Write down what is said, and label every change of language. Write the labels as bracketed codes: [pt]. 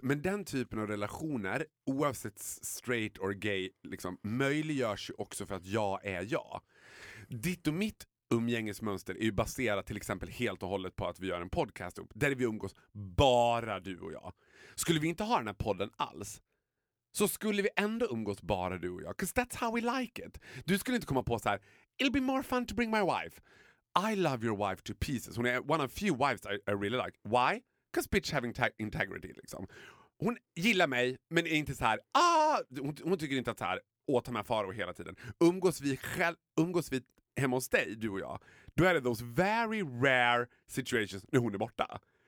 [sv] Men den typen av relationer, oavsett [en] straight or gay, [sv] liksom, möjliggörs ju också för att jag är jag. Ditt och mitt umgängesmönster är ju baserat till exempel helt och hållet på att vi gör en podcast upp där vi umgås bara du och jag. Skulle vi inte ha den här podden alls så skulle vi ändå umgås bara du och jag. [en] Because that's how we like it. [sv] Du skulle inte komma på så här: [en] it'll be more fun to bring my wife. I love your wife to pieces. [sv] Hon är [en] one of few wives I really like. Why? Because bitch having integrity liksom. [sv] Hon gillar mig men är inte så här, ah, hon tycker inte att så här åt mig faro hela tiden. Umgås vi hemma hos dig, du och jag, då är det [en] those very rare situations [sv] när hon är borta.